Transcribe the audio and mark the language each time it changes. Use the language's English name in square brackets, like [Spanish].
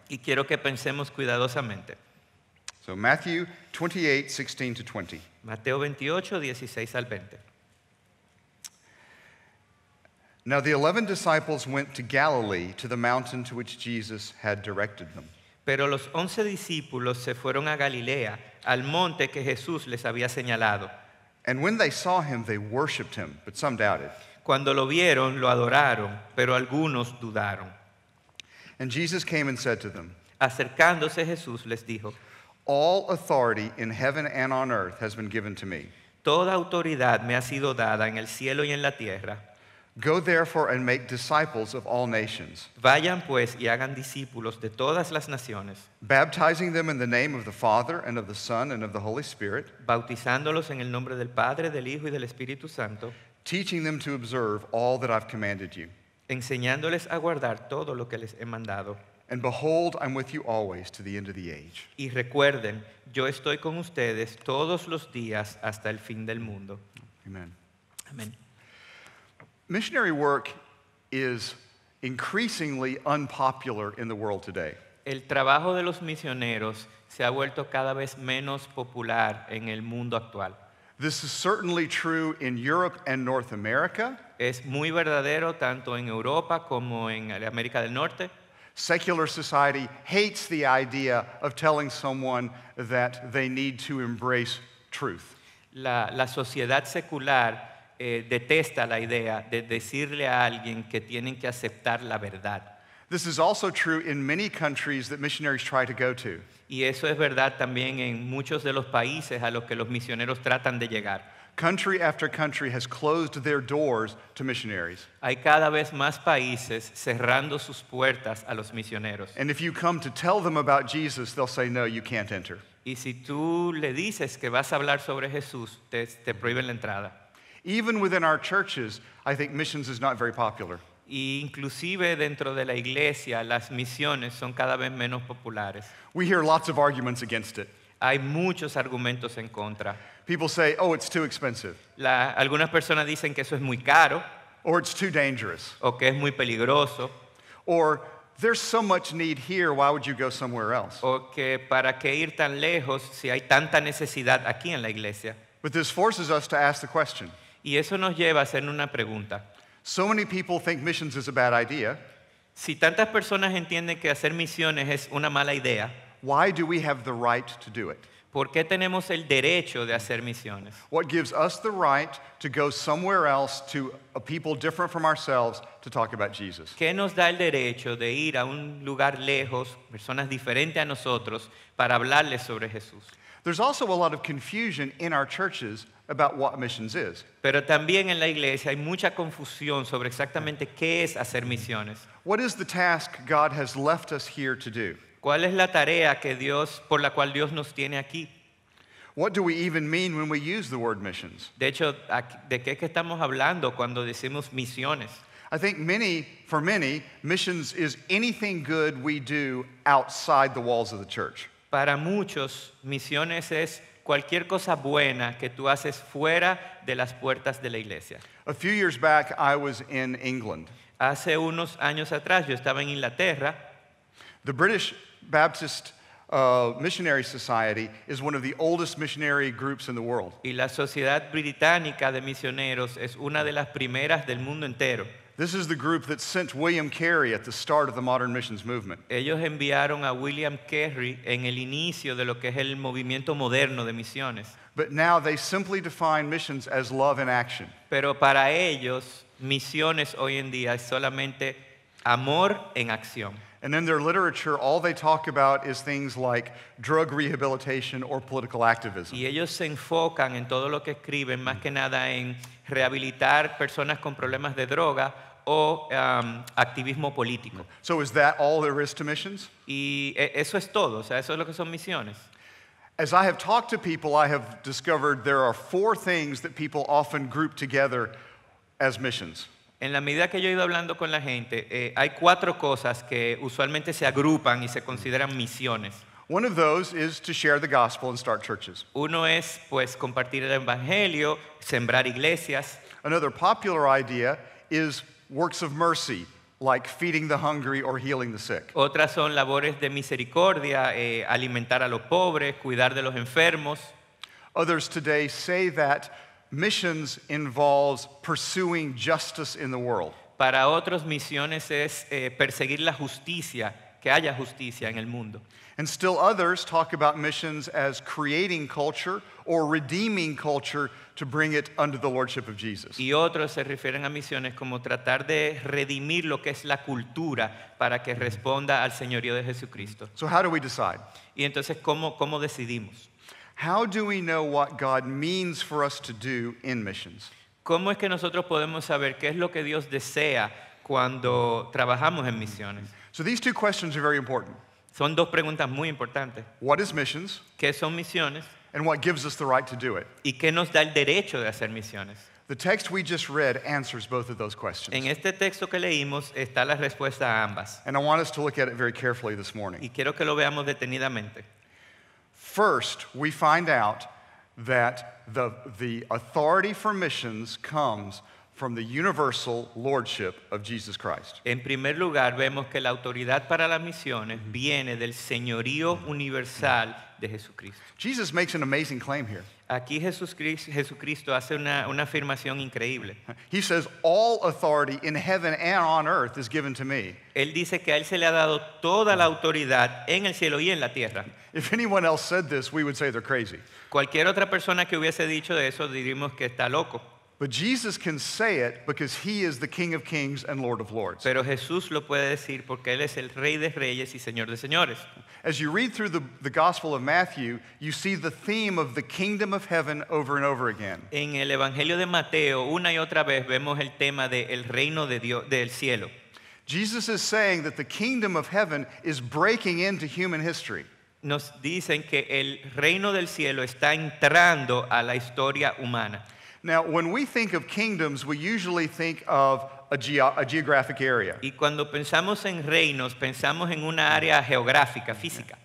[Spanish] Y quiero que pensemos cuidadosamente. [English] So Matthew 28, 16 to 20. [Spanish] Mateo 28, 16 al 20. [English] Now the 11 disciples went to Galilee, to the mountain to which Jesus had directed them. [Spanish] Pero los 11 discípulos se fueron a Galilea, al monte que Jesús les había señalado. [English] And when they saw him, they worshipped him, but some doubted. [Spanish] Cuando lo vieron, lo adoraron, pero algunos dudaron. [English] And Jesus came and said to them, [Spanish] acercándose Jesús les dijo, [English] all authority in heaven and on earth has been given to me. [Spanish] Toda autoridad me ha sido dada en el cielo y en la tierra. [English] Go therefore and make disciples of all nations. [Spanish] Vayan pues y hagan discípulos de todas las naciones. [English] Baptizing them in the name of the Father and of the Son and of the Holy Spirit. [Spanish] Bautizándolos en el nombre del Padre, del Hijo y del Espíritu Santo. [English] Teaching them to observe all that I've commanded you. [Spanish] Enseñándoles a guardar todo lo que les he mandado. [English] And behold, I'm with you always to the end of the age. [Spanish] Y recuerden, yo estoy con ustedes todos los días hasta el fin del mundo. [English] Amen. [Spanish] Amen. [English] Missionary work is increasingly unpopular in the world today. [Spanish] El trabajo de los misioneros se ha vuelto cada vez menos popular en el mundo actual. [English] This is certainly true in Europe and North America. [Spanish] Es muy verdadero tanto en Europa como en América del Norte. [English] Secular society hates the idea of telling someone that they need to embrace truth. [Spanish] La sociedad secular detesta la idea de decirle a alguien que tienen que aceptar la verdad. [English] This is also true in many countries that missionaries try to go to. [Spanish] Y eso es verdad también en muchos de los países a los que los misioneros tratan de llegar. [English] Country after country has closed their doors to missionaries. [Spanish] Hay cada vez más países cerrando sus puertas a los misioneros. [English] And if you come to tell them about Jesus, they'll say, no, you can't enter. [Spanish] Y si tú le dices que vas a hablar sobre Jesús, te prohíben la entrada. [English] Even within our churches, I think missions is not very popular. [Spanish] Y inclusive dentro de la iglesia, las misiones son cada vez menos populares. [English] We hear lots of arguments against it. [Spanish] Hay muchos argumentos en contra. [English] People say, oh, it's too expensive. [Spanish] Algunas personas dicen que eso es muy caro. [English] Or it's too dangerous. [Spanish] O que es muy peligroso. [English] Or there's so much need here, why would you go somewhere else? [Spanish] O que para qué ir tan lejos si hay tanta necesidad aquí en la iglesia. [English] But this forces us to ask the question. [Spanish] Y eso nos lleva a hacer una pregunta. [English] So many people think missions is a bad idea. [Spanish] Si tantas personas entienden que hacer misiones es una mala idea, [English] why do we have the right to do it? [Spanish] ¿Por qué tenemos el derecho de hacer misiones? [English] What gives us the right to go somewhere else to a people different from ourselves to talk about Jesus? [Spanish] ¿Qué nos da el derecho de ir a un lugar lejos, personas diferentes a nosotros, para hablarles sobre Jesús? [English] There's also a lot of confusion in our churches about what missions is. [Spanish] Pero también en la iglesia hay mucha confusión sobre exactamente qué es hacer misiones. [English] What is the task God has left us here to do? [Spanish] ¿Cuál es la tarea que Dios, por la cual Dios nos tiene aquí? [English] What do we even mean when we use the word missions? [Spanish] De hecho, ¿de qué es que estamos hablando cuando decimos misiones? [English] I think for many, missions is anything good we do outside the walls of the church. [Spanish] Para muchos, misiones es cualquier cosa buena que tú haces fuera de las puertas de la iglesia. [English] A few years back, I was in England. [Spanish] Hace unos años atrás, yo estaba en Inglaterra. [English] The British Baptist Missionary Society is one of the oldest missionary groups in the world. [Spanish] Y la Sociedad Británica de Misioneros es una de las primeras del mundo entero. [English] This is the group that sent William Carey at the start of the modern missions movement. [Spanish] Ellos enviaron a William Carey en el inicio de lo que es el movimiento moderno de misiones. [English] But now they simply define missions as love in action. [Spanish] Pero para ellos, misiones hoy en día es solamente amor en acción. [English] And in their literature, all they talk about is things like drug rehabilitation or political activism. [Spanish] Y ellos se enfocan en todo lo que escriben, más que nada en rehabilitar personas con problemas de droga o activismo político. [English] So is that all there is to missions? [Spanish] Y eso es todo, o sea, eso es lo que son misiones. [English] As I have talked to people, I have discovered there are four things that people often group together as missions. [Spanish] En la medida que yo he ido hablando con la gente, hay cuatro cosas que usualmente se agrupan y se consideran misiones. [English] One of those is to share the gospel and start churches. [Spanish] Uno es, pues, compartir el evangelio, sembrar iglesias. [English] Another popular idea is works of mercy, like feeding the hungry or healing the sick. [Spanish] Otras son labores de misericordia, alimentar a los pobres, cuidar de los enfermos. [English] Others today say that missions involves pursuing justice in the world. [Spanish] Para otros, misiones es perseguir la justicia, que haya justicia en el mundo. [English] And still others talk about missions as creating culture or redeeming culture to bring it under the lordship of Jesus. [Spanish] Y otros se refieren a misiones como tratar de redimir lo que es la cultura para que responda al señorío de Jesucristo. [English] So how do we decide? [Spanish] Y entonces, ¿cómo decidimos? [English] How do we know what God means for us to do in missions? [Spanish] ¿Cómo es que nosotros podemos saber qué es lo que Dios desea cuando trabajamos en misiones? [English] So these two questions are very important. [Spanish] Son dos preguntas muy importantes. [English] What is missions? [Spanish] ¿Qué son misiones? [English] And what gives us the right to do it? [Spanish] ¿Y qué nos da el derecho de hacer misiones? [English] The text we just read answers both of those questions. [Spanish] En este texto que leímos está la respuesta a ambas. [English] And I want us to look at it very carefully this morning. [Spanish] Y quiero que lo veamos detenidamente. [English] First, we find out that the authority for missions comes from the universal lordship of Jesus Christ. [Spanish] En primer lugar, vemos que la autoridad para las misiones viene del señorío universal de Jesucristo. [English] Jesus makes an amazing claim here. [Spanish] Aquí Jesucristo hace una afirmación increíble. [English] He says, all authority in heaven and on earth is given to me. [Spanish] Él dice que a él se le ha dado toda la autoridad en el cielo y en la tierra. [English] If anyone else said this, we would say they're crazy. [Spanish] Cualquier otra persona que hubiese dicho eso, diríamos que está loco. [English] But Jesus can say it because he is the King of Kings and Lord of Lords. [Spanish] Pero Jesús lo puede decir porque él es el Rey de Reyes y Señor de Señores. [English] As you read through the Gospel of Matthew, you see the theme of the kingdom of heaven over and over again. [Spanish] En el Evangelio de Mateo, una y otra vez vemos el tema del reino de Dios del cielo. [English] Jesus is saying that the kingdom of heaven is breaking into human history. [Spanish] Nos dicen que el reino del cielo está entrando a la historia humana. [English] Now, when we think of kingdoms, we usually think of a geographic area. [Spanish] Y cuando pensamos en reinos, pensamos en una área geográfica, física.